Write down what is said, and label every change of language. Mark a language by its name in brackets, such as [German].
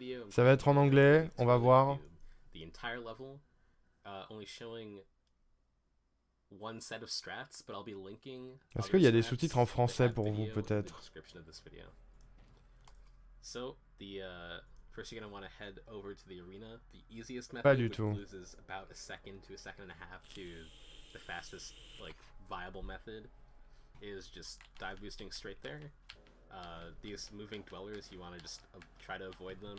[French] Ça va être en anglais, on va voir. [English] The entire level, only showing one set of strats, but I'll be linking. [French] Est-ce qu'il y a des sous-titres en français pour vous peut-être? [English] So, the first you're going to want to head over to the arena, the easiest method loses about a second and a half to the fastest like viable method. Is just dive boosting straight there. These moving dwellers, you want to just try to avoid them.